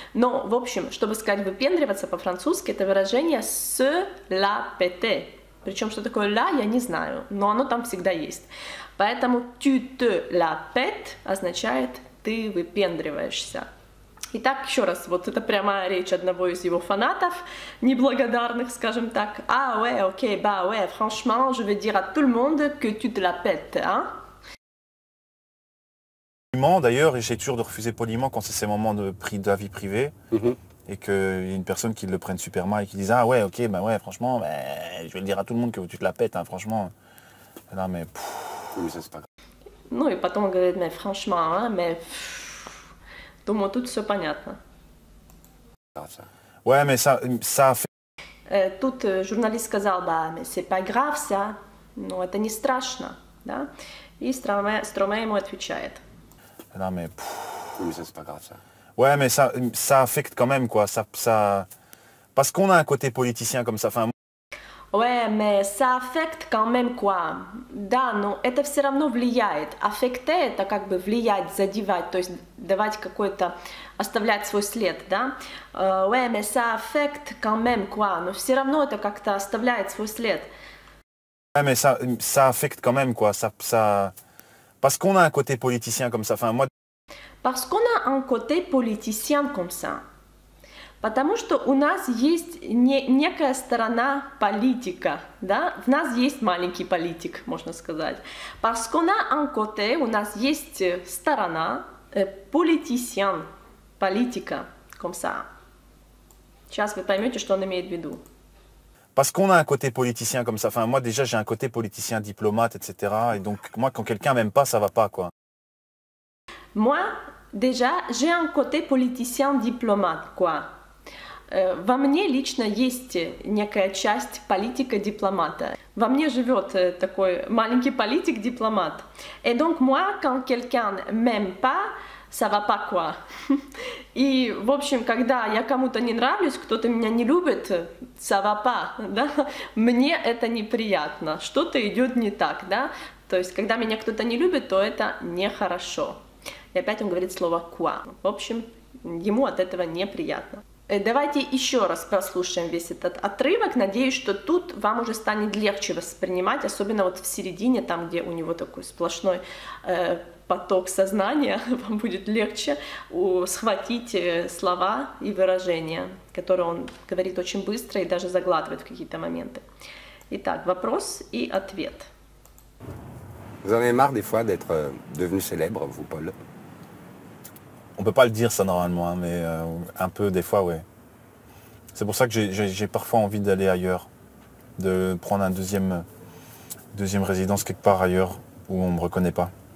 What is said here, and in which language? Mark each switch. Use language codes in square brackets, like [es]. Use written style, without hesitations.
[ru] Но, в общем, чтобы сказать «выпендриваться» по-французски, это выражение [fr] «se la pété». [ru] Причем, что такое «la» я не знаю, но оно там всегда есть. Поэтому [fr] «tu te la pètes» [ru] означает «ты выпендриваешься». Итак, еще раз, вот это прямая речь одного из его фанатов, неблагодарных, скажем так. [fr] А, ouais, ok, bah ouais, franchement, je vais dire à tout le monde que tu te la pètes, hein? D'ailleurs, j'ai toujours de refuser poliment quand c'est ces moments de la vie privée, et qu'il y a une personne qui le prenne super mal et qui dise, ah ouais, ok, bah ouais, franchement, bah, je vais dire à tout le monde que tu te la pètes, hein, franchement. Non, mais... Oui, ça, c'est pas grave. Non, et pas tant que vous mais franchement, hein, mais... [ru] Думаю, тут все понятно. [fr] Ouais, mais ça fait... [ru] Тут журналист сказал, да, [fr] mais c'est pas grave, ça. [ru] Но это не страшно, да? И Стромае ему отвечает. [fr] Non, mais... Oui, mais ça, c'est pas grave, ça. Ouais, mais ça affecte quand même, quoi. Ça... Parce qu'on a un côté politicien comme ça. Enfin... Ouais, mais ça affecte quand même, quoi. [ru] Да, но это все равно влияет. Affecte, это как бы влиять, задевать, то есть... давать какой-то, оставлять свой след, да? [fr] Ouais, mais ça affecte quand même quoi. [ru] Но все равно это как-то оставляет свой след. [fr] Ouais, mais ça affecte quand même quoi. Ça... Parce qu'on a un côté politicien comme ça. Enfin, moi... Parce qu'on a un côté politicien comme ça. [ru] Потому что у нас есть некая сторона политика, да? В нас есть маленький политик, можно сказать. [fr] Parce qu'on a un côté, [ru] у нас есть сторона... Политисян, политика, комса. Сейчас вы поймете, что он имеет в виду. [fr] Parce qu'on a un côté politicien comme ça. Enfin, moi déjà j'ai un côté politicien, diplomate, etc. Et donc moi quand quelqu'un m'aime pas, ça va pas quoi. Moi déjà j'ai un côté politicien, diplomate quoi. [ru] Во мне лично есть некая часть политика дипломата. Во мне живет такой маленький политик дипломат. [fr] Et donc moi quand quelqu'un m'aime pas, ça va pas quoi. [ru] И в общем, когда я кому-то не нравлюсь, кто-то меня не любит, [fr] ça va pas, [ru] да? Мне это неприятно. Что-то идет не так, да? То есть, когда меня кто-то не любит, то это нехорошо. И опять он говорит слово quoi. В общем, ему от этого неприятно. Давайте еще раз прослушаем весь этот отрывок. Надеюсь, что тут вам уже станет легче воспринимать, особенно вот в середине, там, где у него такой сплошной поток сознания, вам будет легче схватить слова и выражения, которые он говорит очень быстро и даже заглатывает в какие-то моменты. Итак, вопрос и ответ. [fr] Vous en avez marre des fois d'être devenu célèbre, vous, Paul? On peut pas le dire ça normalement, hein, mais un peu des fois, ouais. C'est pour ça que j'ai parfois envie d'aller ailleurs, de prendre un deuxième résidence quelque part ailleurs où on me reconnaît pas.